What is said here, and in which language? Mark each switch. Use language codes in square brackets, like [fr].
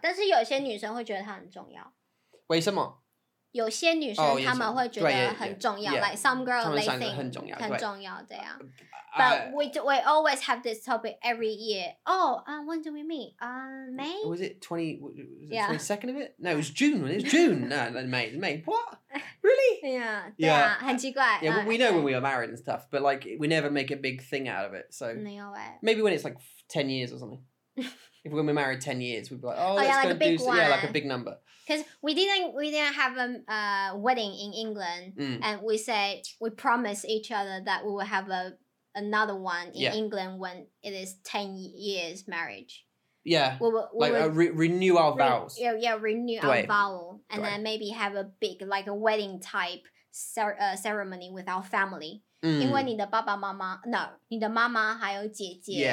[zh] 但是有些女生会觉得它很重要. 为什么? 有些女生她们会觉得很重要. [en] Yeah. Like some girl, they think [zh] 很重要, 很重要, 对啊. [en] But we always have this topic every year. Oh, when do we meet? May? Was it 20? Was it 22nd of it? No, it was June. It was June. No, May. May. What? Really? Yeah. Yeah. [zh] 很奇怪. [en] Yeah, we know when we are married and stuff, but like we never make a big thing out of it. So maybe when it's like 10 years or something. If we're going to be married 10 years, we'd be like, oh let's yeah, go like do something. Yeah, like a big number. Because we didn't have a wedding in England. And we say, we promise each other that we will have another one in England when it is 10 years marriage. Yeah, renew our vows. Renew our vow. And then maybe have a big, like a wedding type ceremony with our family. Mm. [zh] 因为你的爸爸妈妈, no, 你的妈妈还有姐姐,